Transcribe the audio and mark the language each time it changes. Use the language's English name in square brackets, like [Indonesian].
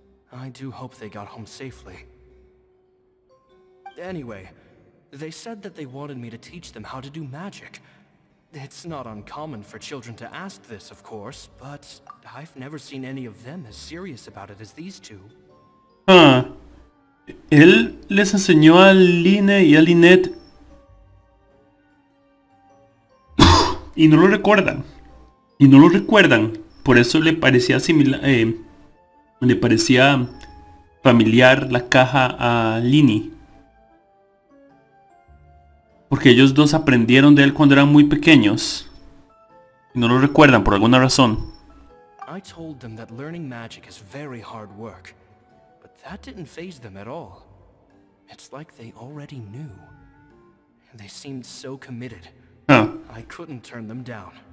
[English] I do hope they got home safely. Anyway, They said that they wanted me to teach them how to do magic. It's not uncommon for children to ask this, of course, but I've never seen any of them as serious about it as these two. [Spanish] Él les enseñó a Line y a Lynette. Y no lo recuerdan. Y no lo recuerdan. Por eso le parecía similar. Le parecía familiar la caja a Lini. Porque ellos dos aprendieron de él cuando eran muy pequeños. Y no lo recuerdan por alguna razón. [English] I told them that learning magic is very hard work. But that didn't faze them at all. It's like they already knew. They seemed so committed. I couldn't turn them down.